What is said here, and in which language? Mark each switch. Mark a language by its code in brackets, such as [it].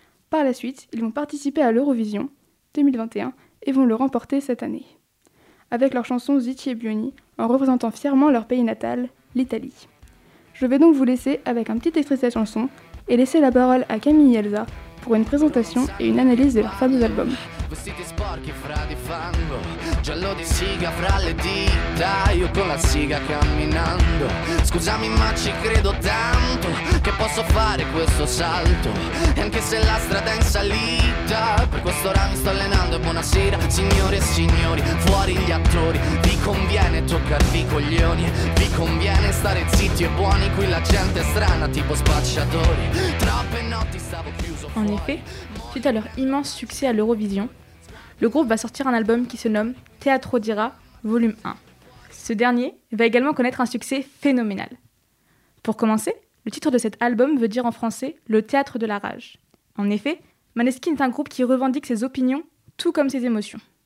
[fr] Par la suite, ils vont participer à l'Eurovision 2021 et vont le remporter cette année, avec leur chanson Zitti e Buoni, en représentant fièrement leur pays natal, l'Italie. Je vais donc vous laisser avec un petit extrait de cette chanson et laisser la parole à Camille et Elsa pour une présentation et une analyse de leur fameux album. [it] Vestiti sporchi fra di fango, giallo di siga fra le dita, io con la siga camminando. Scusami ma ci credo tanto, che posso fare questo salto, e anche se la strada è in salita, per questo ora mi sto allenando e buonasera. Signore e signori, fuori gli attori, vi conviene toccarvi i coglioni, vi conviene stare zitti e buoni, qui la gente è strana tipo spacciatori, troppe notti stavo chiuso fuori. [fr] En effet, suite à leur immense succès à l'Eurovision, le groupe va sortir un album qui se nomme Teatro d'Ira, volume 1. Ce dernier va également connaître un succès phénoménal. Pour commencer, le titre de cet album veut dire en français « le théâtre de la rage ». En effet, Maneskin est un groupe qui revendique ses opinions, tout comme ses émotions.